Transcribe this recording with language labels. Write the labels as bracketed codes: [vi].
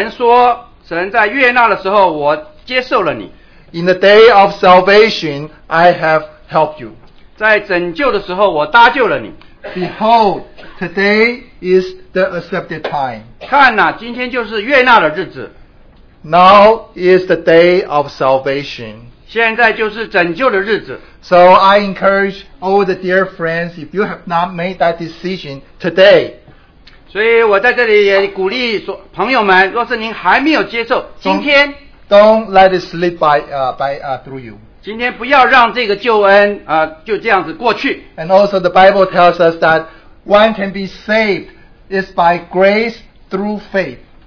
[zh] 所以在圣经里说，神说，神在悦纳的时候，我接受了你。 [en] In the day of salvation, I have helped you. [zh] 在拯救的时候，我搭救了你。 [en] Behold, today is the accepted time. [zh] 看哪，今天就是悦纳的日子。 [en] Now is the day of salvation. [zh] 现在就是拯救的日子。 [en] So I encourage all the dear friends, if you have not made that decision today. [zh] 所以我在这里也鼓励朋友们，若是您还没有接受，今天。 [en] Don't let it slip through you. [zh] 今天不要让这个救恩就这样子过去。 [en] And also the Bible tells us that one can be saved is by grace through faith.